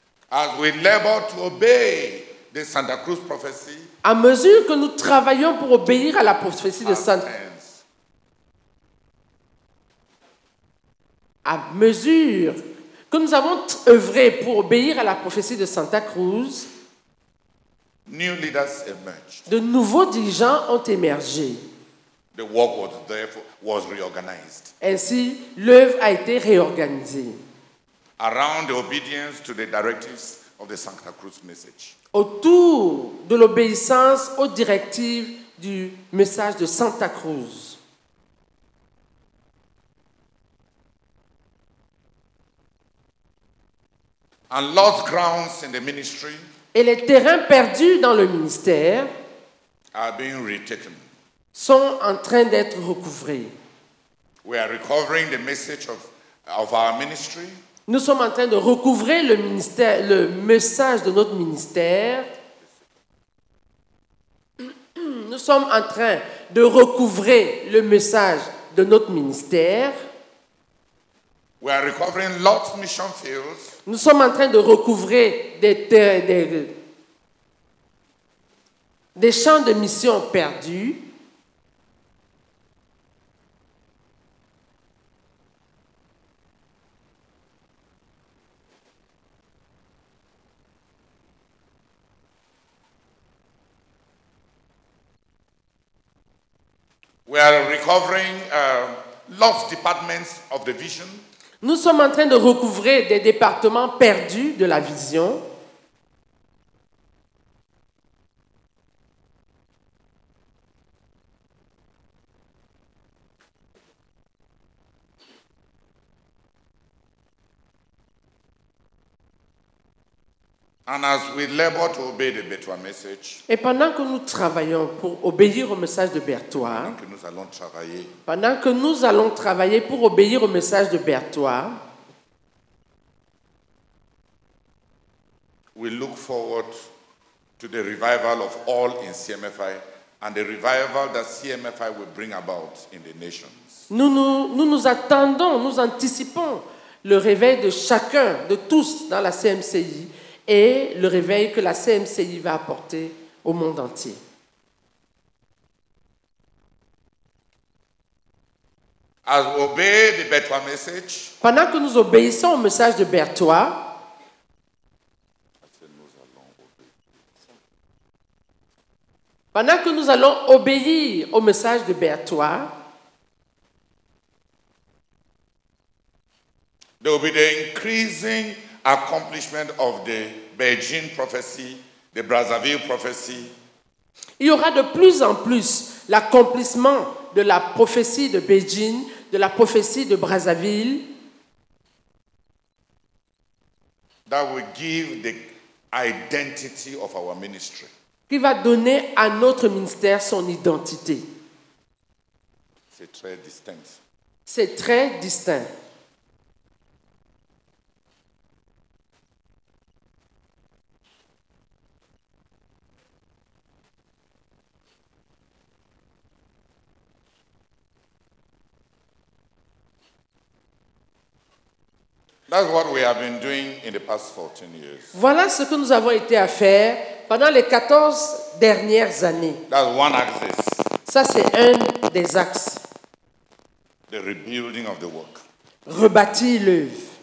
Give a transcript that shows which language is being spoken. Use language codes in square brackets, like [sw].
[en] As we labor to obey the Santa Cruz prophecy, [fr] à mesure que nous travaillons pour obéir à la prophétie de Santa Cruz, à mesure que nous avons œuvré pour obéir à la prophétie de Santa Cruz, [en] new leaders emerged. [fr] De nouveaux dirigeants ont émergé. [en] The work was therefore was reorganized. [fr] Ainsi, l'œuvre a été réorganisée. [en] Around the obedience to the directives of the Santa Cruz message. [fr] Autour de l'obéissance aux directives du message de Santa Cruz. [en] And lost grounds in the ministry. [fr] Et les terrains perdus dans le ministère [en] are being retaken. [fr] Sont en train d'être recouvrés. [en] We are recovering the message of our ministry. [fr] Nous sommes en train de recouvrer le ministère, le message de notre ministère. Nous sommes en train de recouvrer le message de notre ministère. [en] We are recovering Lord's mission fields. [fr] Nous sommes en train de recouvrer des champs de mission perdus. [en] We are recovering lost departments of the vision. [fr] Nous sommes en train de recouvrer des départements perdus de la vision. [en] And as we labor to obey the Bertoua message, [fr] et pendant que nous travaillons pour obéir au message de Bertoua, pendant que nous allons travailler pour obéir au message de Bertoua, [en] we look forward to the revival of all in CMFI and the revival that CMFI will bring about in the nations. [fr] Nous attendons, nous anticipons le réveil de chacun, de tous dans la CMCI. Et le réveil que la CMCI va apporter au monde entier. [en] As we obey the Bertoua message, [fr] pendant que nous obéissons au message de Bertoua, pendant que nous allons obéir au message de Bertoua, [en] there will be the increasing accomplishment of the Beijing prophecy, the Brazzaville prophecy. [fr] Il y aura de plus en plus l'accomplissement de la prophétie de Beijing, de la prophétie de Brazzaville. [en] That will give the identity of our ministry. [fr] Qui va donner à notre ministère son identité. C'est très distinct. C'est très distinct. [en] That's what we have been doing in the past 14 years. [fr] Voilà ce que nous avons été à faire pendant les 14 dernières années. [en] That's one axis. [fr] Ça, c'est un des axes. [en] The rebuilding of the work. [fr] Rebâtir l'œuvre.